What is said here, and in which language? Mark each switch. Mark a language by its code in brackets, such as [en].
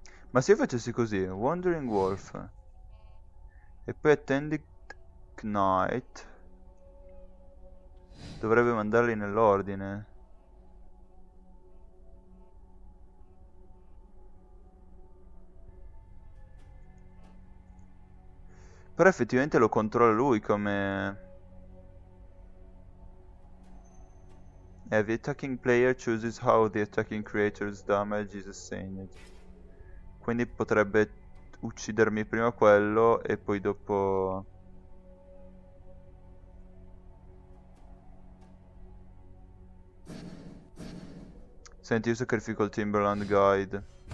[it] Ma se io facessi così, Wandering Wolf. E poi Attendee Knight dovrebbe mandarli nell'ordine. Però effettivamente lo controlla lui come. [en] The attacking player chooses how the attacking creature's damage is assigned. [it] Quindi potrebbe. Uccidermi prima quello e poi dopo. Senti, io sacrifico il Timberland Guide.